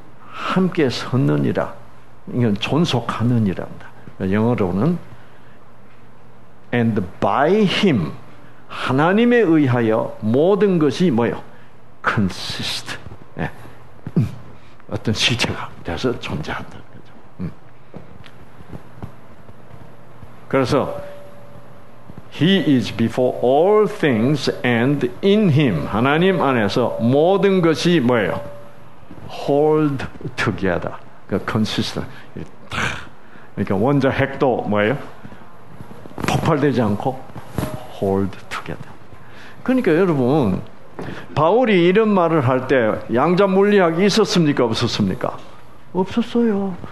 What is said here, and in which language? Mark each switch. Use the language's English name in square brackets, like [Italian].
[Korean] 함께 섰느니라. 이건 존속하느니라입니다. 영어로는 [English] And by him, [Korean] 하나님에 의하여 모든 것이 뭐요? [English] Consist. 네. [Korean] 어떤 실체가 돼서 존재한다. 그래서 [English] He is before all things and in Him. [Korean] 하나님 안에서 모든 것이 뭐예요? [English] Hold together. Consistent. [Korean] 그러니까 원자 핵도 뭐예요? 폭발되지 않고 [English] Hold together. [Korean] 그러니까 여러분, 바울이 이런 말을 할 때 양자 물리학이 있었습니까? 없었습니까? 없었어요.